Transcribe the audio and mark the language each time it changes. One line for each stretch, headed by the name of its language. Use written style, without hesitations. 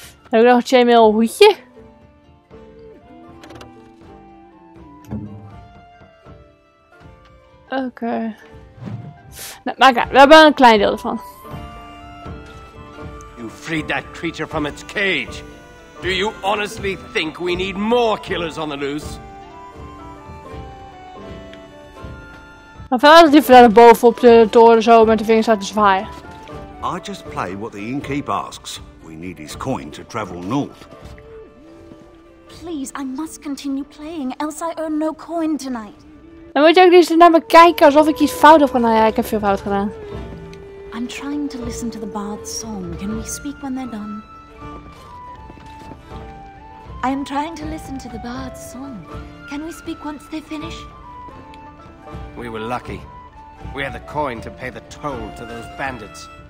Dutch: Heb ik nog een chainmail hoedje? Oké. Nou, maar we hebben een klein deel ervan.
English: You freed that creature from its cage. Do you honestly think we need more killers on the loose?
Dutch: Maar verder dat hij verder boven op de toren zo met de vingers staat te zwaaien.
English: I just play what the innkeep asks. We need his coin to travel north. Please, I must continue playing, else I earn no coin tonight.
Dutch: Dan moet je ook eens naar me kijken alsof ik iets fout heb gedaan. Nou ja, ik heb veel fout gedaan.
English: I'm trying to listen to the bard's song. Can we speak when they're done? I am trying to listen to the bard's song. Can we speak once they finish? We were lucky. We had the coin to pay the toll to those bandits.